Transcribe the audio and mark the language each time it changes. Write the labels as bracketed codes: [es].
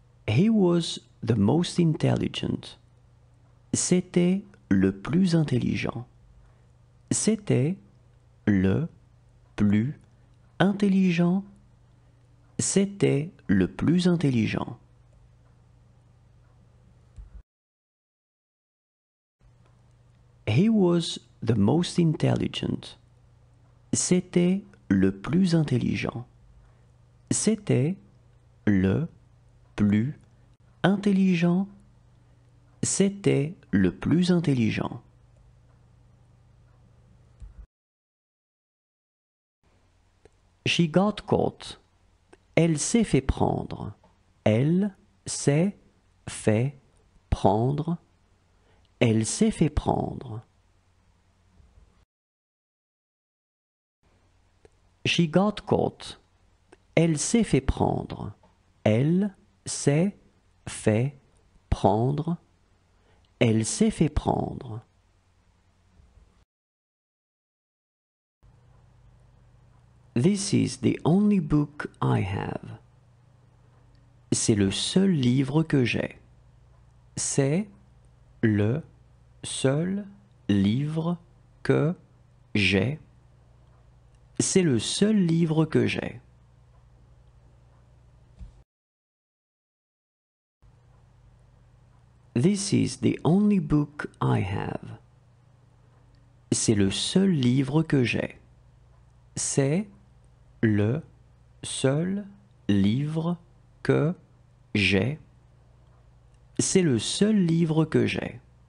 [en] He was the most intelligent. [fr] C'était le plus intelligent. C'était le plus intelligent. C'était le plus intelligent. [en] He was the most intelligent. [fr] C'était le plus intelligent. C'était le plus intelligent. C'était le plus intelligent. [en] She got caught. [fr] Elle s'est fait prendre. Elle s'est fait prendre. Elle s'est fait prendre. [en] She got caught. [fr] Elle s'est fait prendre. Elle s'est fait prendre. Elle s'est fait prendre. [en] This is the only book I have. [fr] C'est le seul livre que j'ai. C'est le seul livre que j'ai. C'est le seul livre que j'ai. [en] This is the only book I have. [fr] C'est le seul livre que j'ai. C'est le seul livre que j'ai. C'est le seul livre que j'ai.